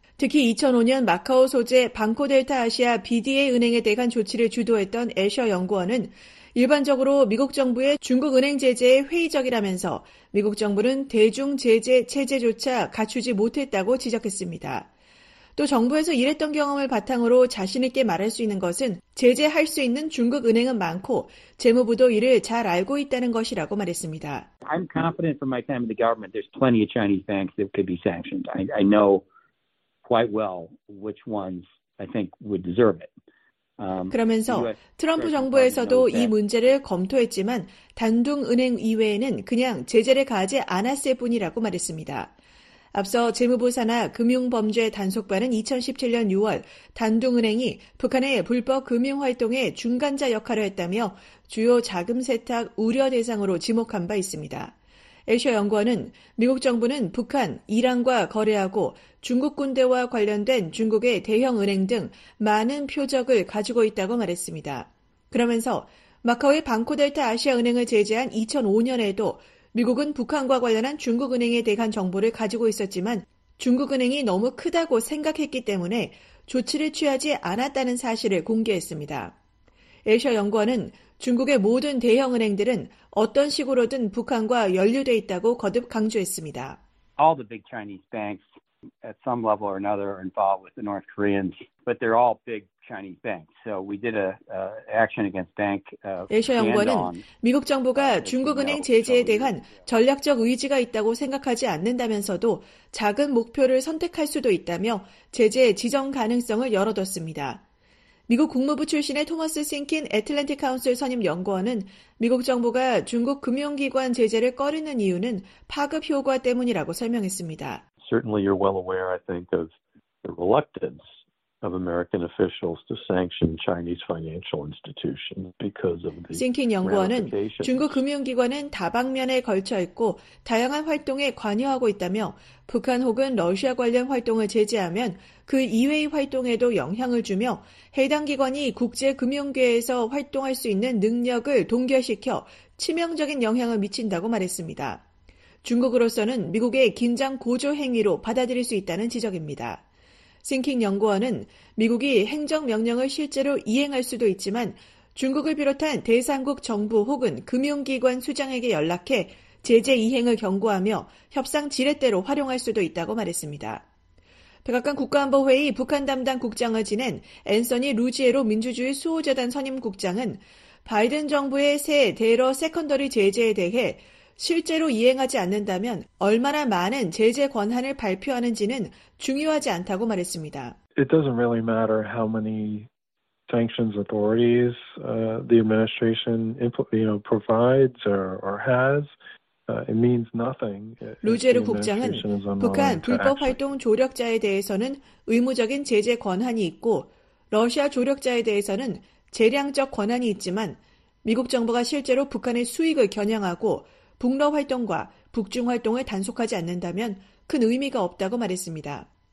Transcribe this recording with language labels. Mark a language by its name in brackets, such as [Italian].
[Korean] 특히 2005년 마카오 소재 방코델타 아시아 BDA 은행에 대한 조치를 주도했던 애셔 연구원은 일반적으로 미국 정부의 중국 은행 제재에 회의적이라면서 미국 정부는 대중 제재 체제조차 갖추지 못했다고 지적했습니다. 또 정부에서 일했던 경험을 바탕으로 자신 있게 말할 수 있는 것은 제재할 수 있는 중국 은행은 많고 재무부도 이를 잘 알고 있다는 것이라고 말했습니다. [English] I'm confident from my time in the government there's plenty of Chinese banks that could be sanctioned. I know quite well which ones I think would deserve it. [Korean] 그러면서 트럼프 정부에서도 이 문제를 검토했지만 단둥 은행 이외에는 그냥 제재를 가하지 않았을 뿐이라고 말했습니다. 앞서 재무부 산하 금융범죄 단속반은 2017년 6월 단둥은행이 북한의 불법 금융활동에 중간자 역할을 했다며 주요 자금세탁 우려 대상으로 지목한 바 있습니다. 애셔 연구원은 미국 정부는 북한, 이란과 거래하고 중국 군대와 관련된 중국의 대형은행 등 많은 표적을 가지고 있다고 말했습니다. 그러면서 마카오의 방코델타 아시아은행을 제재한 2005년에도 미국은 북한과 관련한 중국은행에 대한 정보를 가지고 있었지만 중국은행이 너무 크다고 생각했기 때문에 조치를 취하지 않았다는 사실을 공개했습니다. 애셔 연구원은 중국의 모든 대형은행들은 어떤 식으로든 북한과 연루돼 있다고 거듭 강조했습니다. [English] All the big Chinese banks at some level or another are involved with the North Koreans, but they're all big Chinese banks. So we did a action against bank. [Korean] 에셔 연구원은 미국 정부가 중국은행 제재에 대한 전략적 의지가 있다고 생각하지 않는다면서도 작은 목표를 선택할 수도 있다며 제재의 지정 가능성을 열어뒀습니다. 미국 국무부 출신의 토머스 싱킨 애틀랜틱 카운슬 선임 연구원은 미국 정부가 중국 금융기관 제재를 꺼리는 이유는 파급 효과 때문이라고 설명했습니다. [English] Certainly you're well aware, I think, of the reluctance of American officials to sanction Chinese financial institutions because of the [Korean] 싱킨 연구원은 중국 금융기관은 다방면에 걸쳐 있고 다양한 활동에 관여하고 있다며 북한 혹은 러시아 관련 활동을 제재하면 그 이외의 활동에도 영향을 주며 해당 기관이 국제금융계에서 활동할 수 있는 능력을 동결시켜 치명적인 영향을 미친다고 말했습니다. 중국으로서는 미국의 긴장 고조 행위로 받아들일 수 있다는 지적입니다. 싱킹 연구원은 미국이 행정명령을 실제로 이행할 수도 있지만 중국을 비롯한 대상국 정부 혹은 금융기관 수장에게 연락해 제재 이행을 경고하며 협상 지렛대로 활용할 수도 있다고 말했습니다. 백악관 국가안보회의 북한 담당 국장을 지낸 앤서니 루지에로 민주주의 수호재단 선임 국장은 바이든 정부의 새 대러 세컨더리 제재에 대해 실제로 이행하지 않는다면 얼마나 많은 제재 권한을 발표하는지는 중요하지 않다고 말했습니다. [English] It doesn't really matter how many sanctions authorities the administration provides or has. It means nothing. [Korean] 루제르 국장은 북한 불법 활동 조력자에 대해서는 의무적인 제재 권한이 있고 러시아 조력자에 대해서는 재량적 권한이 있지만 미국 정부가 실제로 북한의 수익을 겨냥하고 북러 활동과 북중 활동을 단속하지 않는다면 큰 의미가 없다고 말했습니다.